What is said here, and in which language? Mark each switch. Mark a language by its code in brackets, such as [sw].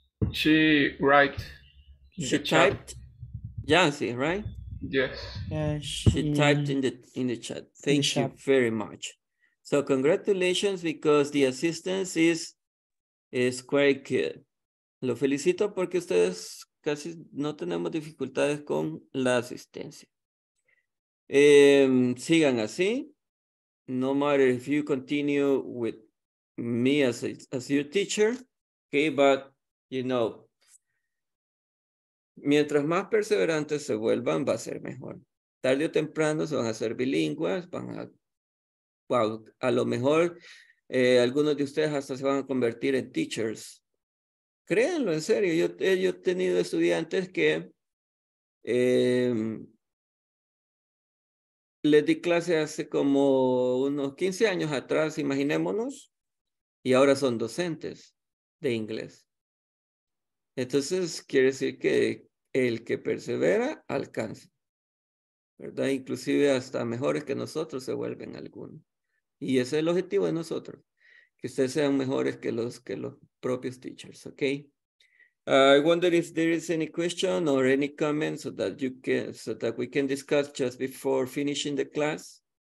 [en] She write. She typed, Yancy, right? Yes. She typed in the chat. Thank you very much. So congratulations, because the assistance is quite good. [es] Lo felicito porque ustedes casi no tenemos dificultades con la asistencia. Sigan así. [en] No matter if you continue with me as your teacher. Okay, but you know, [es] mientras más perseverantes se vuelvan, va a ser mejor. Tarde o temprano se van a hacer bilingües, van a, wow, a lo mejor algunos de ustedes hasta se van a convertir en teachers. Créanlo, en serio, yo he tenido estudiantes que les di clase hace como unos 15 años atrás, imaginémonos, y ahora son docentes de inglés. Entonces, quiere decir que el que persevera, alcanza, ¿verdad? Inclusive hasta mejores que nosotros se vuelven algunos. Y ese es el objetivo de nosotros, que ustedes sean mejores que los propios teachers, ¿ok? [en] I wonder if there is any question or any comment so that we can discuss just before finishing the class.